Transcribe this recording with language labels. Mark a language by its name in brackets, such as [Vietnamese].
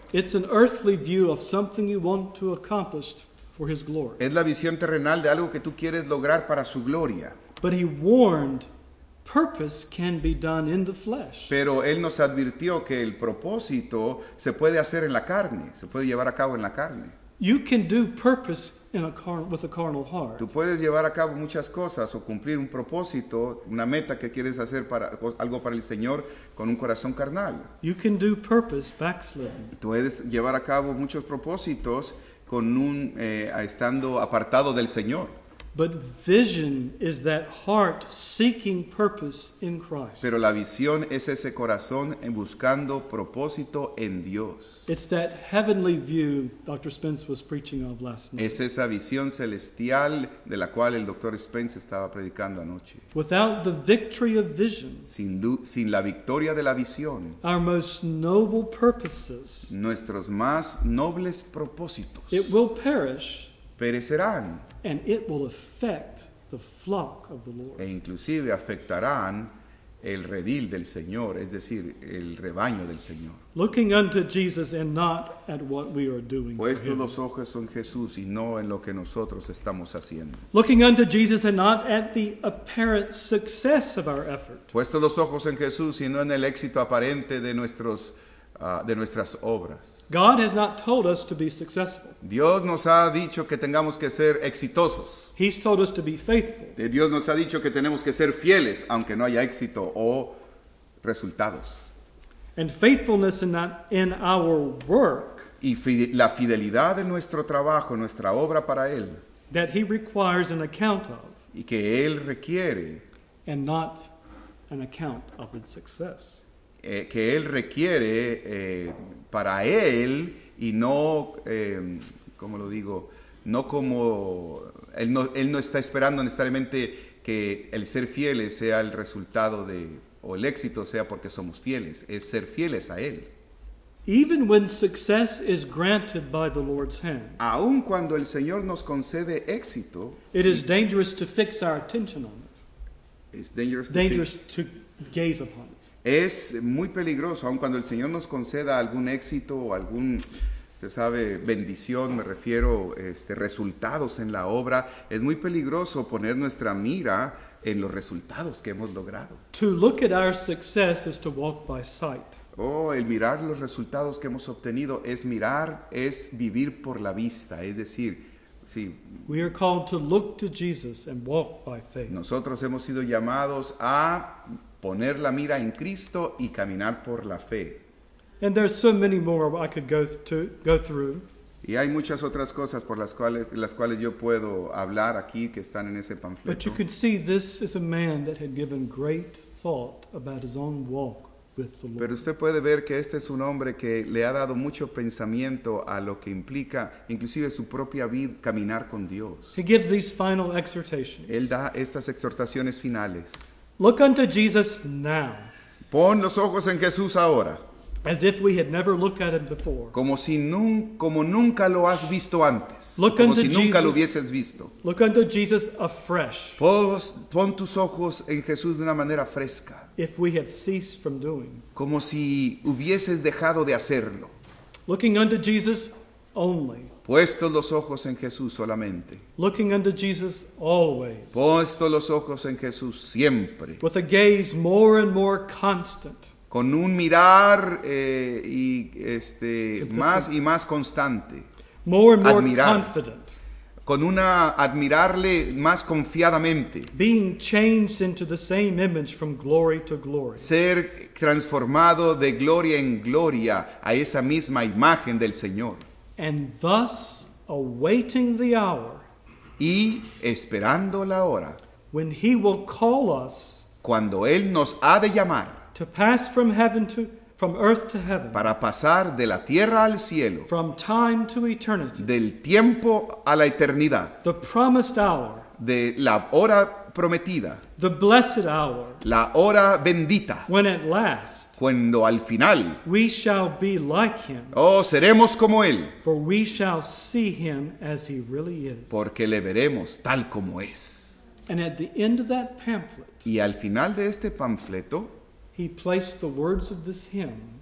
[English] It's an earthly view of something you want to accomplish for his glory. [Spanish] Es la visión terrenal de algo que tú quieres lograr para su gloria. [English] But he warned, purpose can be done in the flesh. [Spanish] Pero él nos advirtió que el propósito se puede hacer en la carne, se puede llevar a cabo en la carne. [English] You can do purpose in a with a carnal heart. [Spanish] Tú puedes llevar a cabo muchas cosas o cumplir un propósito, una meta que quieres hacer para algo para el Señor con un corazón carnal. [English] You can do purpose backslidden. [Spanish] Tú puedes llevar a cabo muchos propósitos con un estando apartado del Señor. [English] But vision is that heart seeking purpose in Christ. [Spanish] Pero la visión es ese corazón buscando propósito en Dios. [English] It's that heavenly view Dr. Spence was preaching of last night. [Spanish] Es esa visión celestial de la cual el Dr. [English] Spence estaba predicando anoche. [Spanish] Without the victory of vision, [English] sin la victoria de la visión, [Spanish] our most noble purposes, [English] nuestros más nobles propósitos, [Spanish] it will perish, [English] perecerán. [Spanish] And it will affect the flock of the Lord. [English] E inclusive afectarán el redil del Señor, es decir, el rebaño del Señor. [Spanish] Looking unto Jesus and not at what we are doing. [English] Puesto los ojos en Jesús y no en lo que nosotros estamos haciendo. [Spanish] Looking unto Jesus and not at the apparent success of our effort. [English] Puesto los ojos en Jesús y no en el éxito aparente de nuestras obras. [Spanish] God has not told us to be successful. [English] Dios nos ha dicho que tengamos que ser exitosos. [Spanish] He's told us to be faithful. [English] Dios nos ha dicho que tenemos que ser fieles, aunque no haya éxito o resultados. [Spanish] And faithfulness in our work. [English] Y la fidelidad en nuestro trabajo, nuestra obra para Él. [Spanish] That he requires an account of. [English] Y que Él requiere. [Spanish] And not an account of his success. [English] Que Él requiere para Él y no, ¿cómo lo digo? [Spanish] No como, él no está esperando necesariamente que el ser fieles sea el resultado de, o el éxito sea porque somos fieles, es ser fieles a Él. [English] Even when success is granted by the Lord's hand, [Spanish] aun cuando el Señor nos concede éxito, [English] it is dangerous to fix our attention on it. It's dangerous, to gaze upon it. [Spanish] Es muy peligroso, aun cuando el Señor nos conceda algún éxito o algún, usted sabe, bendición, me refiero, resultados en la obra, es muy peligroso poner nuestra mira en los resultados que hemos logrado. [English] To look at our success is to walk by sight. [Spanish] Oh, el mirar los resultados que hemos obtenido es mirar, es vivir por la vista, es decir, sí. [English] We are called to look to Jesus and walk by faith. [Spanish] Nosotros hemos sido llamados a poner la mira en Cristo y caminar por la fe. [English] And there's so many more I could go through. [Spanish] Y hay muchas otras cosas por las cuales yo puedo hablar aquí que están en ese panfleto. [English] But you could see this is a man that had given great thought about his own walk with the Lord. [Spanish] Pero usted puede ver que este es un hombre que le ha dado mucho pensamiento a lo que implica, inclusive su propia vida, caminar con Dios. [English] He gives these final exhortations. [Spanish] Él da estas exhortaciones finales. [English] Look unto Jesus now. [Spanish] Pon los ojos en Jesús ahora. [English] As if we had never looked at him before. [Spanish] Como nunca lo has visto antes. [English] Look [Spanish] como [English] unto [Spanish] si [English] Jesus, [Spanish] nunca lo hubieses visto. [English] Look unto Jesus afresh. [Spanish] Pon tus ojos en Jesús de una manera fresca. [English] If we have ceased from doing. [Spanish] Como si hubieses dejado de hacerlo. [English] Looking unto Jesus only. [Spanish] Puestos los ojos en Jesús solamente. [English] Looking unto Jesus always. [Spanish] Puestos los ojos en Jesús siempre. [English] With a gaze more and more constant. [Spanish] Con un mirar y más y más constante. [English] More and more admirar. Confident. [Spanish] Con una admirarle más confiadamente. [English] Being changed into the same image from glory to glory. [Spanish] Ser transformado de gloria en gloria a esa misma imagen del Señor. [English] And thus awaiting the hour. [Spanish] Y esperando la hora. [English] When he will call us. [Spanish] Cuando él nos ha de llamar. [English] To pass from earth to heaven. [Spanish] Para pasar de la tierra al cielo. [English] From time to eternity. [Spanish] Del tiempo a la eternidad. [English] The promised hour. [Spanish] De la hora prometida. [English] The blessed hour. [Spanish] La hora bendita. [English] When at last. [Spanish] Cuando al final. [English] We shall be like him. [Spanish] Oh, seremos como él. [English] For we shall see him as he really is. [Spanish] Porque le veremos tal como es. [English] And at the end of that pamphlet. [Spanish] Y al final de este panfleto. [English] He placed the words of this hymn.